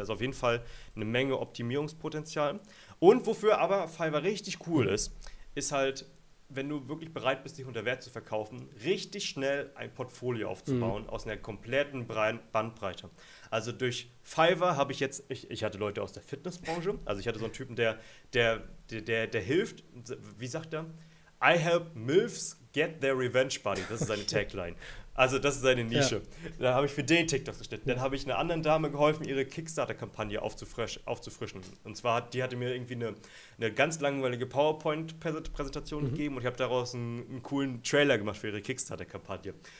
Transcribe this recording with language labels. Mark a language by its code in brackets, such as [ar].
[de] Also auf jeden Fall eine Menge Optimierungspotenzial. Und wofür aber Fiverr richtig cool ist, ist halt, wenn du wirklich bereit bist, dich unter Wert zu verkaufen, richtig schnell ein Portfolio aufzubauen aus einer kompletten Bandbreite. Also durch Fiverr habe ich jetzt, ich hatte Leute aus der Fitnessbranche, also ich hatte so einen Typen, der hilft, wie sagt er? [en] I help MILFs get their revenge party. [de] Das ist seine Tagline. Also das ist seine Nische. Ja. Da habe ich für den TikTok geschnitten. Dann habe ich einer anderen Dame geholfen, ihre Kickstarter-Kampagne aufzufrischen. Und zwar, die hatte mir irgendwie eine ganz langweilige PowerPoint-Präsentation gegeben und ich habe daraus einen coolen Trailer gemacht für ihre Kickstarter-Kampagne.